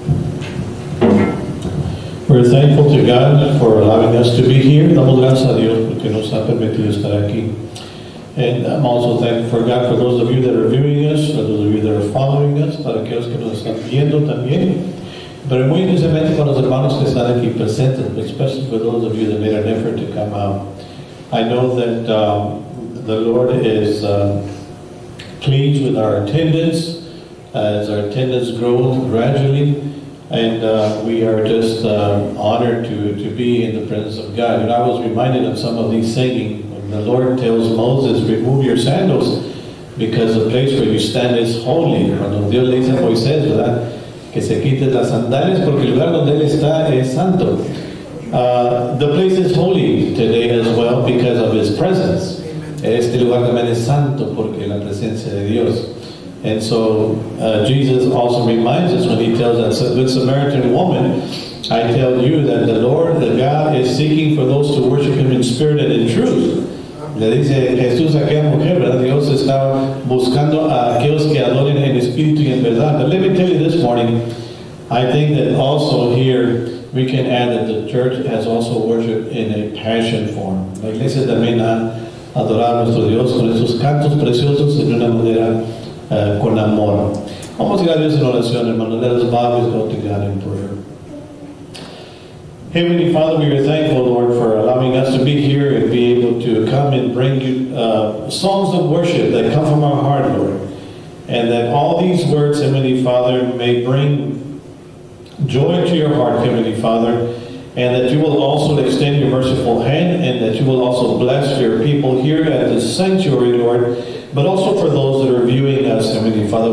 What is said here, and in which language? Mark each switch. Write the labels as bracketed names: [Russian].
[English] We're thankful to God for allowing us to be here. [Spanish] Damos gracias a Dios porque nos ha permitido estar aquí. [English] And I'm also thankful for God for those of you that are viewing us, for those of you that are following us, [Spanish] para aquellos que nos están viendo también. Pero muy especialmente para los hermanos que están aquí presentes, [English] especially for those of you that made an effort to come out. I know that the Lord is pleased with our attendance, as our attendance grows gradually, and we are just honored to be in the presence of God. And I was reminded of some of these singing. The Lord tells Moses, remove your sandals because the place where you stand is holy. [Spanish] Cuando Dios le dice a Moisés, ¿verdad? Que se quite las sandalias porque el lugar donde él está es santo. [English] The place is holy today as well because of his presence. [Spanish] Este lugar también es santo porque la presencia de Dios. [English] And so Jesus also reminds us when he tells us, a good Samaritan woman, I tell you that the Lord, the God, is seeking for those to worship him in spirit and in truth. [Spanish] Le dice Jesús a aquella mujer, ¿verdad? Dios está buscando a aquellos que adoren en espíritu y en verdad. [English] But let me tell you this morning, I think that also here we can add that the church has also worshiped in a passion form. [Spanish] La iglesia también ha adorado a nuestro Dios con esos cantos preciosos de una manera con amor. Vamos a ir a Dios en oración, hermano. [English] Let us bow and go to God in prayer. Heavenly Father, we are thankful, Lord, for allowing us to be here and be able to come and bring you songs of worship that come from our heart, Lord. And that all these words, Heavenly Father, may bring joy to your heart, Heavenly Father, and that you will also extend your merciful hand and that you will also bless your people here at this sanctuary, Lord, but also for those that are viewing us, Heavenly Father.